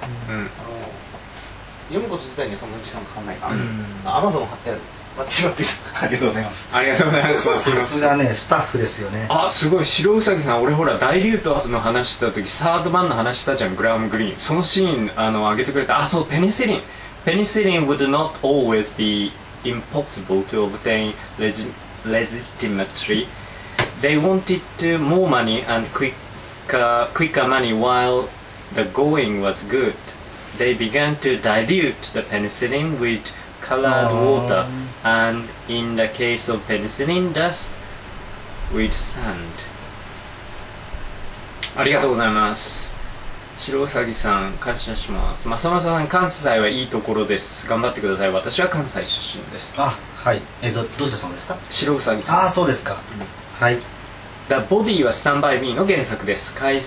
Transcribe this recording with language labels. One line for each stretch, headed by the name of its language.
Japanese: あの読むこと自体にそんなに時間かかんないから。 Amazon 貼ってある。ありがとうございます。ありがとうございます。さすがね、スタッフですよね。あ、すごい、白うさぎさん。俺ほら大リュートの話した時、サードマンの話したじゃん、グラム・グリーン。そのシーン、あの、上げてくれた。あ、そう、ペニシリン。
English: ペニシリン would not always be impossible to obtain legitimately. They wanted more money and quicker money while the going was good. They began to dilute the penicillin withColored water, and in the case of penicillin, dust with sand.
Japanese: ありがとうございます。白うさぎさん、感謝します。まさまささん、関西はいいところです。頑張ってください。私は関西出身です。あ、はい。どうしてそうですか？白うさぎさん。あ、そうですか。はい。 The Body は Stand By Me の原作です。